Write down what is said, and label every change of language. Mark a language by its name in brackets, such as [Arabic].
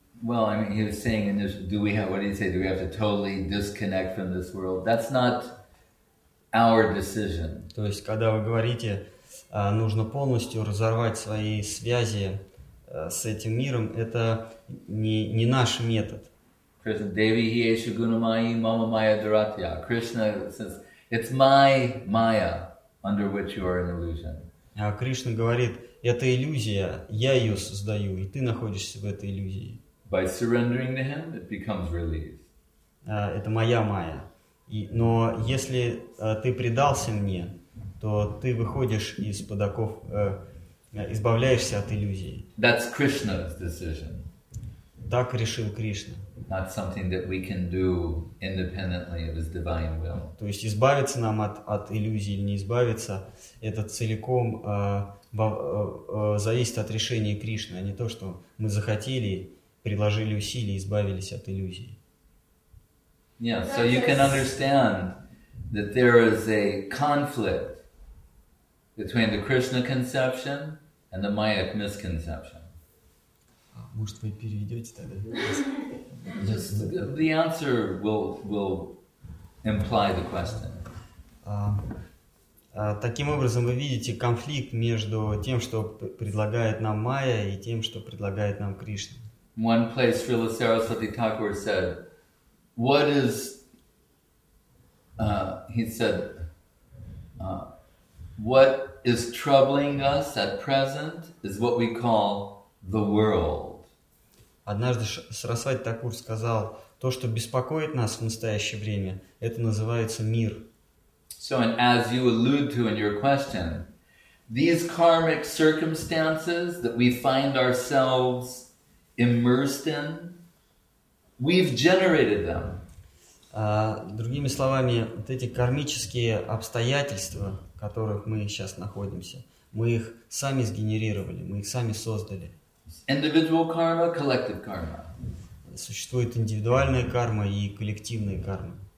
[English] Well, I mean, he was saying, do we have to totally disconnect from this world? That's not our decision. [Russian] То есть, когда вы говорите, нужно полностью разорвать свои связи с этим миром, это не наш метод. [Sanskrit] Krishna Devi Hiyeshu Gunamayi Mama Maya Dharatya. [English] Krishna says, it's my Maya under which you are an illusion. [Russian] Кришна говорит, это иллюзия, я ее создаю, и ты находишься в этой иллюзии. [English] By surrendering to him, it becomes released. [Russian] Это моя Maya. Но если ты предался мне, то ты выходишь из-под оков избавляешься от иллюзии. [English] That's Krishna's decision. [Russian] Так решил Кришна. [English] Not something that we can do independently of his divine will. [Russian] То есть избавиться нам от иллюзий или не избавиться, это целиком зависит от решения Кришны, а не то, что мы захотели, приложили усилия, избавились от иллюзий. [English] Yeah, so you can understand that there is a conflict between the Krishna conception and the Maya misconception. [Russian] Может, вы переведете тогда? [English] The answer will imply the question. [Russian] Таким образом, вы видите конфликт между тем, что предлагает нам Майя, и тем, что предлагает нам Кришна. [English] One place Srila Saraswati Thakur said, "What is?" He said, "What is troubling us at present is what we call the world." [Russian] Однажды Сарасвати Такур сказал, то, что беспокоит нас в настоящее время, это называется мир. [English] So, and as you allude to in your question, these karmic circumstances that we find ourselves immersed in, we've generated them. [Russian] Другими словами, вот эти кармические обстоятельства, в которых мы сейчас находимся, мы их сами сгенерировали, мы их сами создали. [English] Individual karma, collective karma. [Russian] Существует индивидуальная карма и коллективная карма.